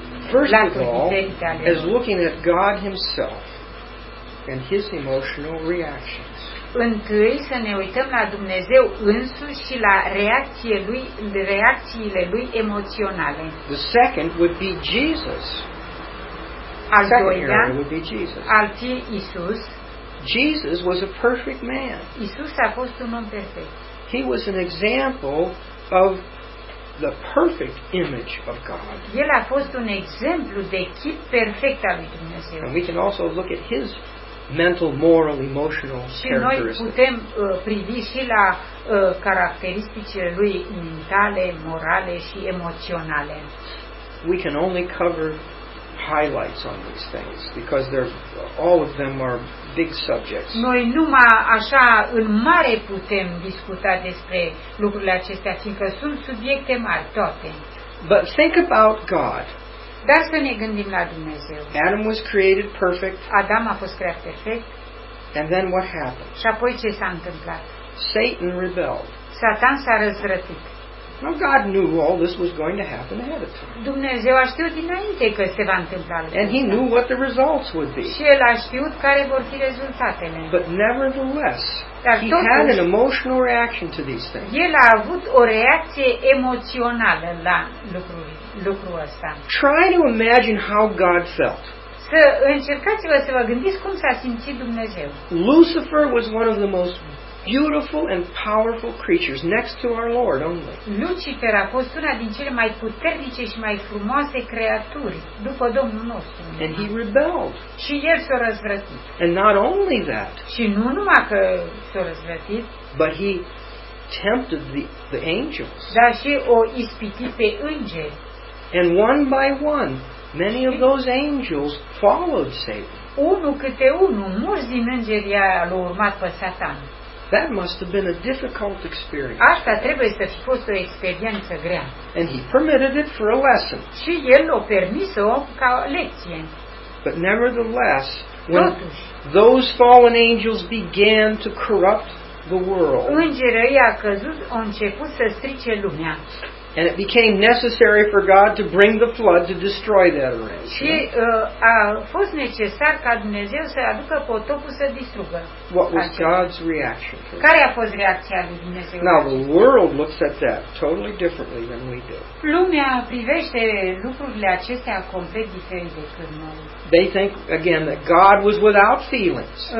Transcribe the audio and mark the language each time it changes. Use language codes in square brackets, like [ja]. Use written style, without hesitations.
[en] First of all, as looking at God himself and his emotional reactions. [ro] Întâi să ne uităm la Dumnezeu însuși și la reacțiile lui emoționale. [en] The second would be Jesus. [ro] Al doilea [en] would be Jesus. [ro] Al fi Isus. [en] Jesus was a perfect man. [ro] Isus a fost un om perfect. [en] He was an example of the perfect image of God. [ro] El a fost un exemplu de chip perfect al lui Dumnezeu. [en] And we can also look at his mental, moral, emotional characteristics. [ro] Și noi putem privi și la caracteristicile lui mentale, morale și emoționale. [en] We can only cover highlights on these things because they're all of them are big subjects. [ro] Noi numai așa în mare putem discuta despre lucrurile acestea fiindcă sunt subiecte mari toate. [en] But think about God. [ro] Dar să ne gândim la Dumnezeu. [en] Adam was created perfect. [ro] Adam a fost creat perfect. [en] And then what happened? [ro] Și apoi ce s-a întâmplat? [en] Satan rebelled. [ro] Satan s-a răzvrătit. [en] Now God knew all this was going to happen ahead of time. [ro] Dumnezeu a știut dinainte că se va întâmpla. [en] And he knew what the results would be. [ro] Și el a știut care vor fi rezultatele. [en] But nevertheless, [ro] Dar [en] he had an emotional reaction to these things. [ro] El a avut o reacție emoțională la lucrul ăsta. [en] Try to imagine how God felt. [ro] Să încercați-vă să vă gândiți cum s-a simțit Dumnezeu. [en] Lucifer was one of the most beautiful and powerful creatures next to our Lord only. [ro] Lucifer a fost una din cele mai puternice și mai frumoase creaturi după Domnul nostru. [en] And he rebelled. [ro] Și el s-a răzvrătit. [en] And not only that. [ro] Și nu numai că s-a răzvrătit, [en] but he tempted the angels. [ro] Dar și o ispitit pe îngeri. [en] And one by one, many of those angels followed Satan. [ro] Unul câte unul, mulți din îngeri l-au urmat pe Satan. [en] That must have been a difficult experience. [ro] Asta trebuie să fi fost o experiență grea. [en] And he permitted it for a lesson. [ro] Și el l-a permis-o ca lecție. [en] But nevertheless, when those fallen angels began to corrupt the world, [ro] îngerii a căzut, au început să strice lumea. [en] And it became necessary for God to bring the flood to destroy that arena. [ro] Și a fost necesar ca Dumnezeu să aducă potopul să distrugă. [en] What was God's reaction? [ro] Care a fost reacția lui Dumnezeu? [en] Now the world looks at that totally differently than we do. [ro] Lumea privește lucrurile acestea complet diferit decât noi. [en] They think again that God was without feelings.